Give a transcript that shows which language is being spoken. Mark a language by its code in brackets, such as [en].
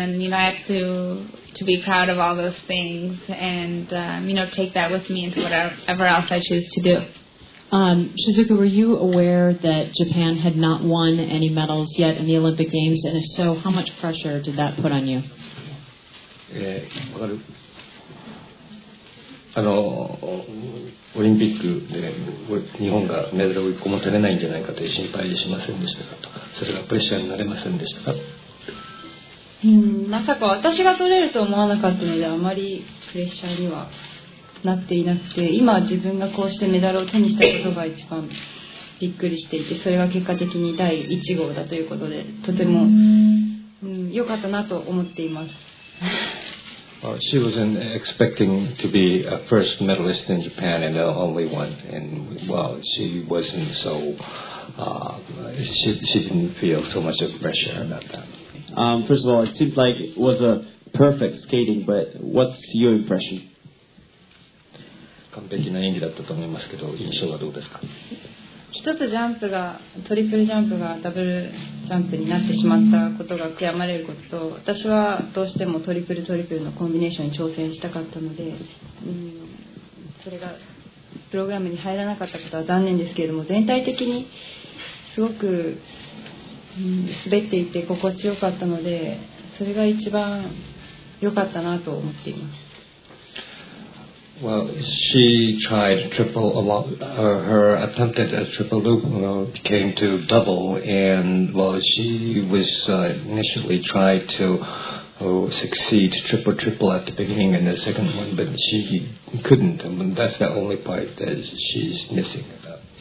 [en] And, you know, I have to be proud of all those things and, you know, take that with me into whatever else I choose to do. Shizuka, were you aware that Japan had not won any medals yet in the Olympic Games? And if so, how much pressure did that put on you? Well, [ja] あのオリンピックで日本がメダルを1個も取れないんじゃないかという心配しませんでしたかと、それがプレッシャーになれませんでしたか。まさか私が取れると思わなかったので、あまりプレッシャーにはなっていなくて、今自分がこうしてメダルを手にしたことが一番びっくりしていて、それが結果的に第1号だということで、とても良かったなと思っています。 [en] She was expecting to be a first medalist in Japan and the only one. And well, she wasn't so, she didn't feel so much of pressure about that. First of all, it seems like it was a perfect skating, but what's your impression? [ja] 完璧な演技だったと思いますけど、印象はどうですか？一つジャンプがトリプルジャンプがダブルジャンプになってしまったことが悔やまれることと、私はどうしてもトリプルトリプルのコンビネーションに挑戦したかったので、それがプログラムに入らなかったことは残念ですけれども、全体的にすごく、滑っていて心地よかったので、それが一番良かったなと思っています。 [en] Well, she tried triple, her attempt at a triple loop came to double, and well, she was initially tried to succeed triple-triple at the beginning and the second one, but she couldn't, and that's the only part that she's missing about.